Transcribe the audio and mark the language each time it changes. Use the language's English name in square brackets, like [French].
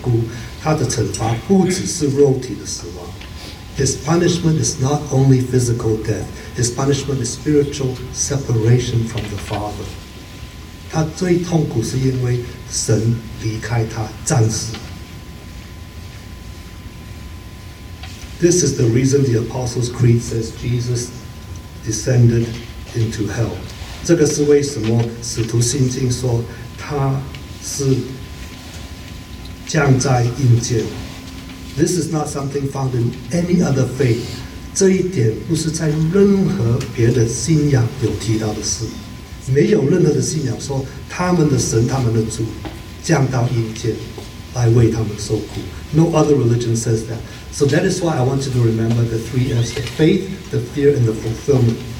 [Chinese] 为了这个缘故，我们最少一个月有一次的纪念神，在主餐里面，因为他是被惩罚，为了我们的缘故，他的惩罚不只是肉体的死亡。 [English] His punishment is not only physical death. His punishment is spiritual separation from the Father. [Chinese] 他最痛苦是因为神离开他，暂时。 [English] This is the reason the Apostles' Creed says Jesus descended into hell. [Chinese] 这个是为什么使徒信经说他是降在阴间。 [English] This is not something found in any other faith. [Chinese] 这一点不是在任何别的信仰有提到的事。没有任何的信仰说他们的神、他们的主降到阴间来为他们受苦。 [English] No other religion says that. So that is why I want you to remember the three F's: the faith, the fear, and the fulfillment.